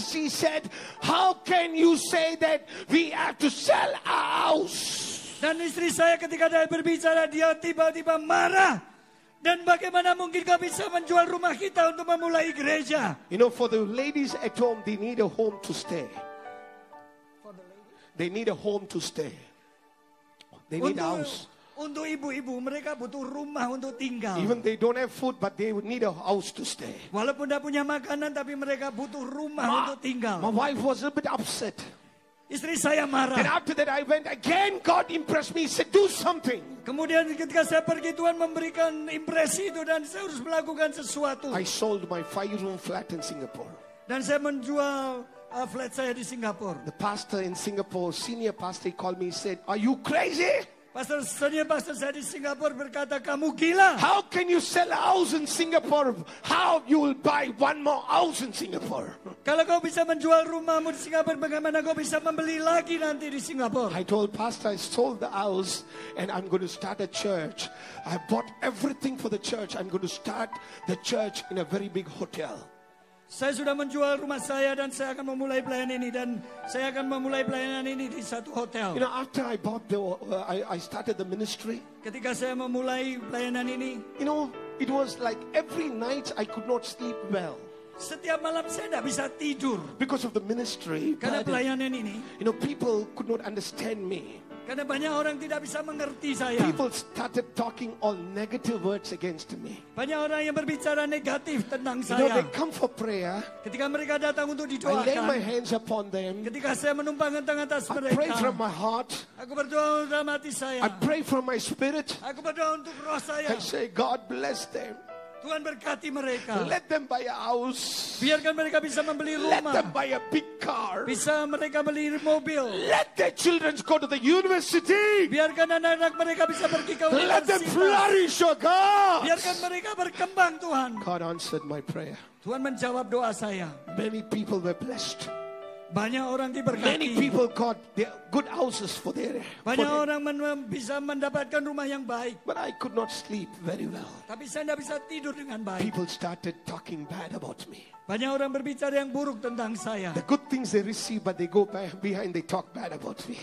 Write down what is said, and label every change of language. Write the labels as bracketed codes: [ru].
[en] She said, how can you say that we have to sell our house? [id] Dan istri saya ketika dia berbicara, dia tiba-tiba marah. Dan bagaimana mungkin kau bisa menjual rumah kita untuk memulai gereja? [en] You know, for the ladies at home, they need a home to stay. For the ladies? They need a home to stay. They need a house. [id] Untuk ibu-ibu, mereka butuh rumah untuk tinggal. [en] Even they don't have food, but they need a house to stay. [id] Walaupun tidak punya makanan, tapi mereka butuh rumah untuk tinggal. [en] My wife was a bit upset. [id] Istri saya marah. [en] And after that I went again, God impressed me, said do something. [id] Kemudian ketika saya pergi, Tuhan memberikan impresi itu dan saya harus melakukan sesuatu. [en] I sold my 5-room flat in Singapore. [id] Dan saya menjual flat saya di Singapura. [en] The pastor in Singapore, senior pastor, he called me, he said, are you crazy? [id] Pastor, senior pastor saya di Singapura berkata, kamu gila. [en] How can you sell a house in Singapore? How you will buy one more house in Singapore? [id] Kalau kau bisa menjual rumahmu di Singapura, bagaimana kau bisa membeli lagi nanti di Singapura? [en] I told pastor, I sold the house and I'm going to start a church. I bought everything for the church. I'm going to start the church in a very big hotel. [id] Saya sudah menjual rumah saya dan saya akan memulai pelayanan ini dan saya akan memulai pelayanan ini di satu hotel. [en] You know, after I bought the, I started the ministry. [id] Ketika saya memulai pelayanan ini, [en] you know, it was like every night I could not sleep well. [id] Setiap malam saya tidak bisa tidur. [en] Because of the ministry. [id] Karena pelayanan ini. [en] You know, people could not understand me. [id] Karena banyak orang tidak bisa mengerti saya. [en] People started talking all negative words against me. [id] Banyak orang yang berbicara negatif tentang saya. [en] You know, they come for prayer. [id] Ketika mereka datang untuk didoakan. [en] I lay my hands upon them. [id] Ketika saya menumpangkan tangan atas mereka. [en] I pray from my heart. [id] Aku berdoa dalam hati saya. [en] I pray from my spirit. [id] Aku berdoa untuk roh saya. [en] I say, God bless them. [id] Tuhan berkati mereka. [en] Let them buy a house. [id] Biarkan mereka bisa membeli rumah. [en] Let them buy a big car. [id] Bisa mereka beli mobil. [en] Let their children go to the university. [id] Biarkan anak-anak mereka bisa pergi ke universitas. [en] Let them flourish, oh God. [id] Biarkan mereka berkembang, Tuhan. [en] God answered my prayer. [id] Tuhan menjawab doa saya. [en] Many people were blessed. [id] Banyak orang diberkati. [en] Many people got their good houses for their. [id] Banyak orang bisa mendapatkan rumah yang baik. [en] But I could not sleep very well. [id] Tapi saya tidak bisa tidur dengan baik. [en] People started talking bad about me. [id] Banyak orang berbicara yang buruk tentang saya. [en] The good things they receive, but they go behind, they talk bad about me.